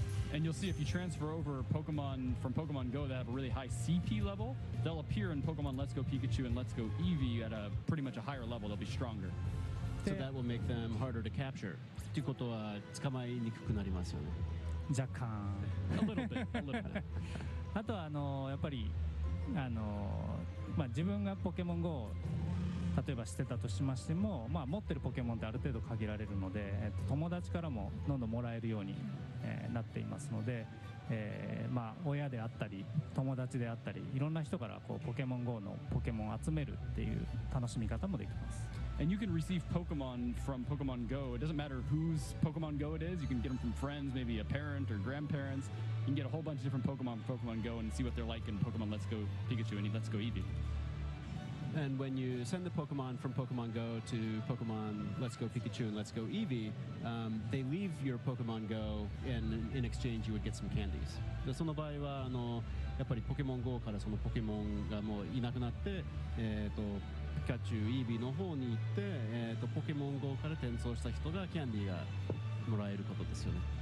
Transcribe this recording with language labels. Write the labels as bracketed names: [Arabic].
[English] And you'll see if you transfer over Pokemon from Pokemon GO that have a really high CP level, they'll appear in Pokemon Let's Go Pikachu and Let's Go Eevee at a pretty much a higher level, they'll be stronger. So that will make them harder to capture. [Japanese] ということは、捕まえにくくなりますよね。若干。 [English] A little bit. [Japanese] あとはやっぱり、まあ、自分がポケモン GO を例えばしてたとしましても、まあ、持ってるポケモンってある程度限られるので、友達からもどんどんもらえるように、なっていますので、まあ、親であったり友達であったりいろんな人からこうポケモン GO のポケモンを集めるっていう楽しみ方もできます。 [English] And you can receive Pokemon from Pokemon Go. It doesn't matter whose Pokemon Go it is. You can get them from friends, maybe a parent or grandparents. You can get a whole bunch of different Pokemon from Pokemon Go and see what they're like in Pokemon Let's Go Pikachu and Let's Go Eevee. And when you send the Pokemon from Pokemon Go to Pokemon Let's Go Pikachu and Let's Go Eevee, they leave your Pokemon Go and in exchange you would get some candies. [Japanese] でその場合はやっぱりポケモン GO からそのポケモンがもういなくなって、ピカチュウ、イービーの方に行って、ポケモン GO から転送した人がキャンディーがもらえることですよね。